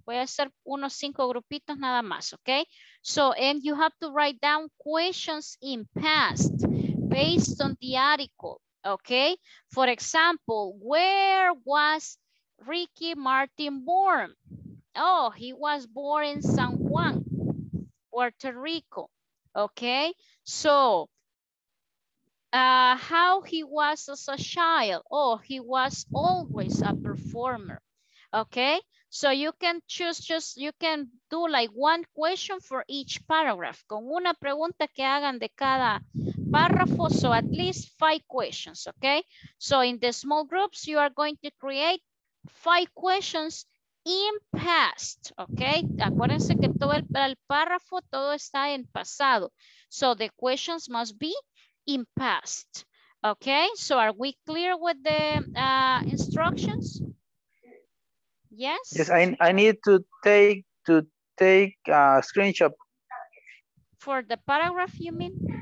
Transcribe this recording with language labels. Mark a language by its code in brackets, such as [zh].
[es] Voy a hacer unos 5 grupitos nada más, okay? [en] So, and you have to write down questions in past based on the article, okay? For example, where was Ricky Martin born? Oh, he was born in San Juan, Puerto Rico, okay? So, how he was as a child? Oh, he was always a performer, okay? So you can choose, just you can do like 1 question for each paragraph. [es] Con una pregunta que hagan de cada párrafo, so at least 5 questions, okay? [en] So in the small groups, you are going to create 5 questions in past, okay? [es] Acuérdense que todo el párrafo, todo está en pasado. [en] So the questions must be in past, okay? So are we clear with the instructions? Yes. Yes, I need to take a screenshot. For the paragraph, you mean?